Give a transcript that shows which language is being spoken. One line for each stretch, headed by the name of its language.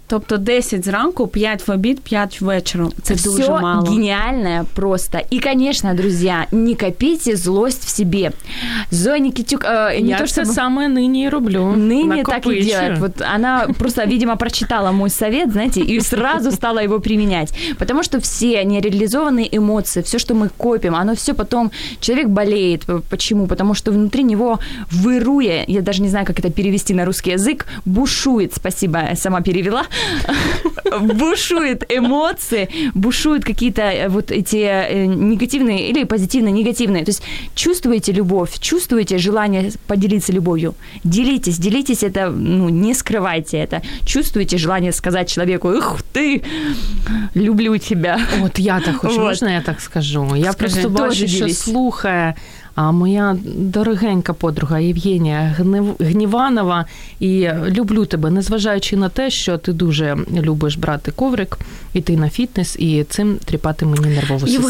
Ukrainian: Тобто 10 зранку, 5 в обід, 5 вечером. Це дуже мало. Все геніальне просто. І, звісно, друзі, не копіть злость в себе. Зоя Никитюк... Не я то, це саме нині і роблю. Нині так і делать.
Russian: Вот она просто, видимо, прочитала мой совет, знаете, і сразу стала його применять.
Ukrainian: Потому що всі нереалізовані емоції, все, що ми копимо, воно все потім...
Russian: Человек болеет. Почему? Потому что внутри него выруя, я даже не знаю, как это перевести на русский язык, бушует, спасибо, я сама перевела, бушует эмоции, бушуют какие-то вот эти негативные или позитивно-негативные. То есть чувствуете любовь, чувствуете желание поделиться любовью, делитесь, делитесь это, ну, не скрывайте это. Чувствуете желание сказать человеку: «Ух ты, люблю тебя». Вот я так хочу, вот. Можно я так скажу?
Ukrainian: Я скажи, просто бачу, що слухає моя дорогенька подруга Євгенія Гніванова, і люблю тебе, незважаючи на те, що ти дуже любиш брати коврик, іти на фітнес і цим тріпати мені нервову систему.